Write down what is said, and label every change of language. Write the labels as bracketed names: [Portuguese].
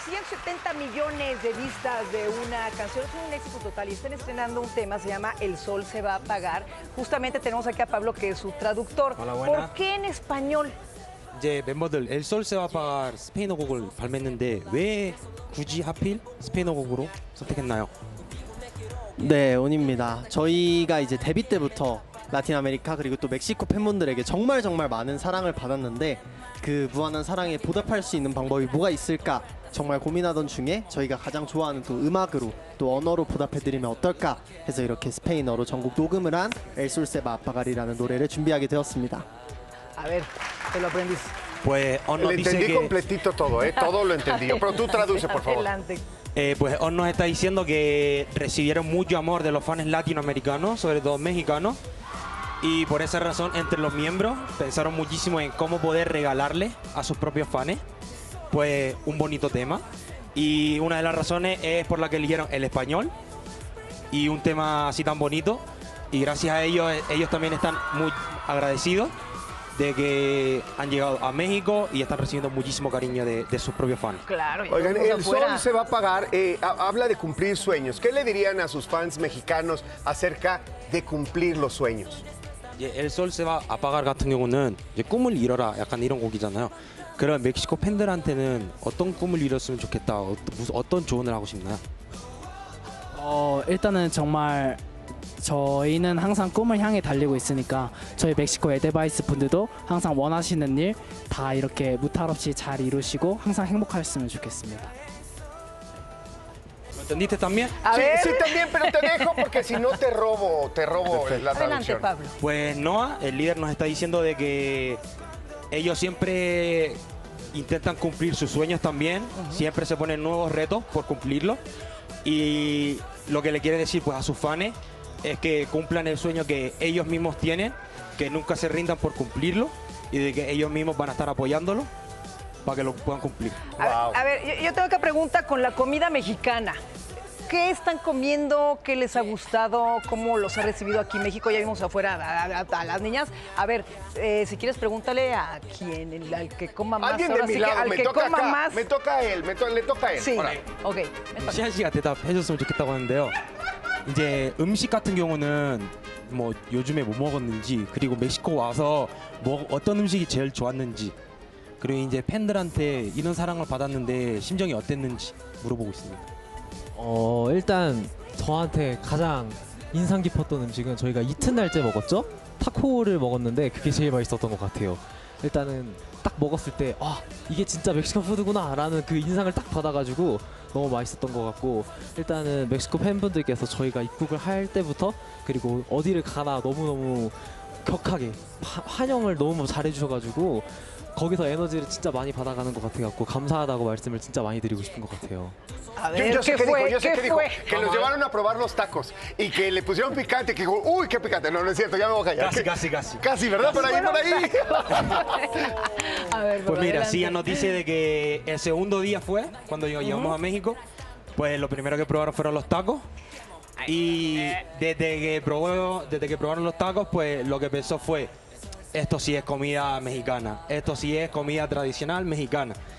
[Spanish] 70 millones de vistas de una canción, es un éxito total y están estrenando un tema, se llama El Sol Se Va a Apagar. Justamente tenemos aquí a Pablo, que es su traductor. Hola, buena. ¿Por qué en español? Ya, membros, [Korean] El Sol Se Va a Apagar, Spain 곡을 발매했는데 왜 굳이 하필 스페인어 곡으로 선택했나요? 네, 온입니다. 저희가 이제 데뷔 때부터 라틴 아메리카 그리고 또 멕시코 팬분들에게 정말 정말 많은 사랑을 받았는데 그 무한한 사랑에 보답할 수 있는 방법이 뭐가 있을까? 정말 고민하던 중에 저희가 가장 좋아하는 또 음악으로 또 언어로 보답해드리면 어떨까 해서 이렇게 스페인어로 전곡 녹음을 한 El Sol Se Va a Apagar이라는 노래를 준비하게 되었습니다. [Spanish] A ver, el aprendiz. Pues Ono dice que... Le entendí completito todo, ¿eh? Todo lo entendí. Pero tú traduce, por favor. Adelante. Pues Ono está diciendo que recibieron mucho amor de los fans latinoamericanos, sobre todo mexicanos, y por esa razón entre los miembros pensaron muchísimo en cómo poder regalarle a sus propios fans pues un bonito tema, y una de las razones es por la que eligieron el español y un tema así tan bonito, y gracias a ellos, ellos también están muy agradecidos de que han llegado a México y están recibiendo muchísimo cariño de sus propios fans. Claro. Oigan, El Sol Se Va a Apagar, habla de cumplir sueños. ¿Qué le dirían a sus fans mexicanos acerca de cumplir los sueños? [Korean] El Sol Se Va a Apagar 같은 경우는 이제 꿈을 이뤄라 약간 이런 곡이잖아요. 그럼 멕시코 팬들한테는 어떤 꿈을 이뤘으면 좋겠다, 어떤 조언을 하고 싶나요? 일단은 정말 저희는 항상 꿈을 향해 달리고 있으니까 저희 멕시코 에드바이스 분들도 항상 원하시는 일 다 이렇게 무탈 없이 잘 이루시고 항상 행복하셨으면 좋겠습니다. [Spanish] ¿Entendiste también? A sí, ver. Sí, también, pero te dejo porque si no te robo perfecto. La traducción. Adelante, Pablo. Pues Noah, el líder, nos está diciendo de que ellos siempre intentan cumplir sus sueños también, siempre se ponen nuevos retos por cumplirlos, y lo que le quiere decir pues a sus fans es que cumplan el sueño que ellos mismos tienen, que nunca se rindan por cumplirlo y de que ellos mismos van a estar apoyándolo para que lo puedan cumplir. A ver, yo tengo otra pregunta con la comida mexicana. ¿Qué están comiendo? ¿Qué les ha gustado? ¿Cómo los ha recibido aquí en México? Ya vimos afuera a las niñas. A ver, si quieres, pregúntale a quién, al que coma más. Alguien de mi lado, me toca acá. Me toca a él, le toca a él. Sí, ok. [Korean] 시아씨가 대답해줬으면 좋겠다고 하는데요. 이제 음식 같은 경우는 뭐 요즘에 뭐 먹었는지, 그리고 멕시코 와서 뭐 어떤 음식이 제일 좋았는지, 그리고 이제 팬들한테 이런 사랑을 받았는데 심정이 어땠는지 물어보고 있습니다. 일단 저한테 가장 인상 깊었던 음식은 저희가 이튿날째 먹었죠? 타코를 먹었는데 그게 제일 맛있었던 것 같아요. 일단은 딱 먹었을 때 아, 이게 진짜 멕시코 푸드구나 라는 그 인상을 딱 받아가지고 너무 맛있었던 것 같고, 일단은 멕시코 팬분들께서 저희가 입국을 할 때부터 그리고 어디를 가나 너무너무 격하게 환영을 너무 잘해주셔가지고 거기서 에너지를 진짜 많이 받아가는 것 같아서 감사하다고 말씀을 진짜 많이 드리고 싶은 것 같아요. [Spanish] Yo sé qué dijo. Que los llevaron a probar los tacos y que le pusieron picante, que dijo, uy, qué picante. No, no es cierto, ya me voy a callar. Casi, ¿verdad? Por ahí, por ahí. A ver, pues mira, sí, ya nos dice de que el segundo día fue cuando llegamos a México. Pues lo primero que probaron fueron los tacos. Y desde que probaron los tacos, pues lo que pensó fue, esto sí es comida mexicana, esto sí es comida tradicional mexicana.